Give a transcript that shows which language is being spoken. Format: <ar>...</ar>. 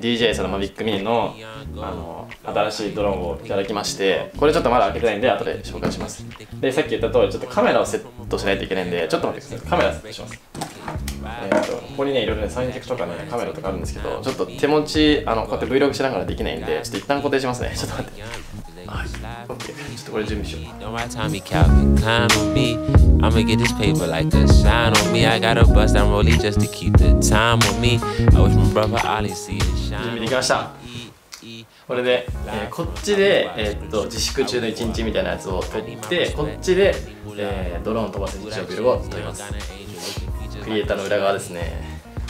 <ja>DJI さんのマビックミニの新しいドローンをいただきまして、これちょっとまだ開けてないんで後で紹介します。でさっき言った通りちょっとカメラをセットしないといけないんで、ちょっと待ってください。カメラセットします。ここにねいろいろね三脚とかねカメラとかあるんですけど、ちょっと手持ちこうやって Vlog しながらできないんで、ちょっと一旦固定しますね。ちょっと待って、はい、OK、ちょっとこれ準備しよう。</ja> <en>I'ma get this paper like a shine on me. I got a bus that I'm rolling just to keep the time on me. I wish my brother Ollie see it shine.</en> <ja>準備できました。これで、こっちで、自粛中の一日みたいなやつを撮って、こっちで、ドローン飛ばす日常ビルを撮ります。クリエイターの裏側ですね。</ja>